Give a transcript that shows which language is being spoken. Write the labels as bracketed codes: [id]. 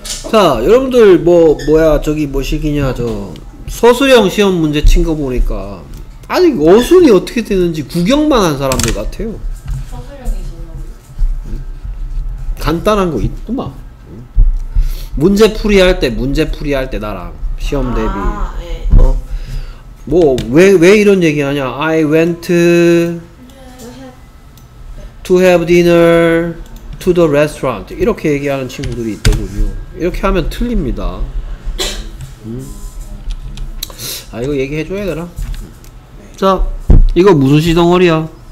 [ko] 자, 여러분들 뭐 뭐야 저기 뭐 시기냐 저 서술형 시험 문제 친 거 보니까. 아니 어순이 어떻게 되는지 구경만 한 사람들 같아요. 서술형이신가요? 간단한 거 있구만. 문제 풀이 할 때 나랑 시험 대비. 아, 네. 어? 뭐 왜 이런 얘기하냐? [en] I went to have dinner to the restaurant. [ko] 이렇게 얘기하는 친구들이 있더군요. 이렇게 하면 틀립니다. 아 이거 얘기해 줘야 되나? 자, 이거 무슨 시 덩어리야?